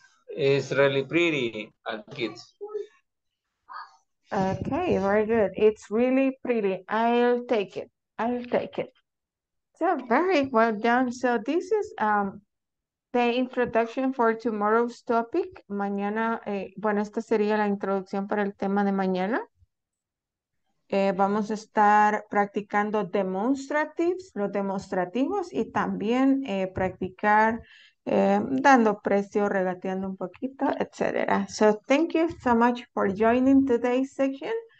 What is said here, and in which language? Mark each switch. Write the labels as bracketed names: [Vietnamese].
[English] It's really pretty, kids. Okay, very good. It's really pretty. I'll take it. So very well done. So this is the introduction for tomorrow's topic. [Spanish] Mañana, bueno, esta sería la introducción para el tema de mañana. Vamos a estar practicando demonstratives, los demostrativos, y también practicar dando precio, regateando un poquito, etc. [English] So thank you so much for joining today's session.